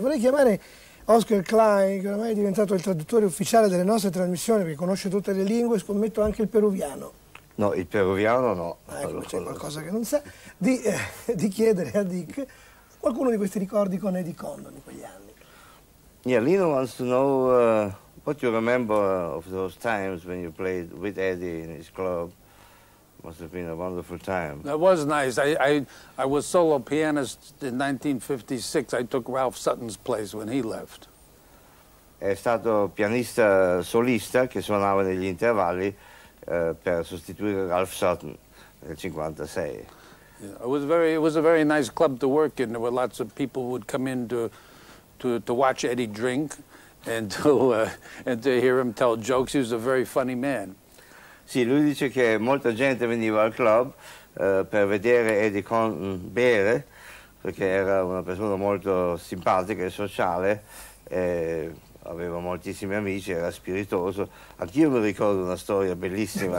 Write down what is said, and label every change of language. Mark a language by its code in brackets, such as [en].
[it] Vorrei chiamare Oscar Klein, che ormai è diventato il traduttore ufficiale delle nostre trasmissioni, perché conosce tutte le lingue, scommetto anche il peruviano. No, il peruviano no. Ah, ecco, c'è qualcosa che non sa, di chiedere a Dick qualcuno di questi ricordi con Eddie Condon in quegli anni. [en] Yeah, Lino wants to know what you remember of those times when you played with Eddie in his club. Must have been a wonderful time. That was nice. I was solo pianist in 1956. I took Ralph Sutton's place when he left. [it] È stato pianista solista che suonava negli intervalli per sostituire Ralph Sutton nel 56. [en] Yeah, it was a very nice club to work in. There were lots of people who would come in to watch Eddie drink and to hear him tell jokes. He was a very funny man. [it] Sì, lui dice che molta gente veniva al club per vedere Eddie Condon bere, perché era una persona molto simpatica e sociale, e aveva moltissimi amici, era spiritoso. Anch'io mi ricordo una storia bellissima.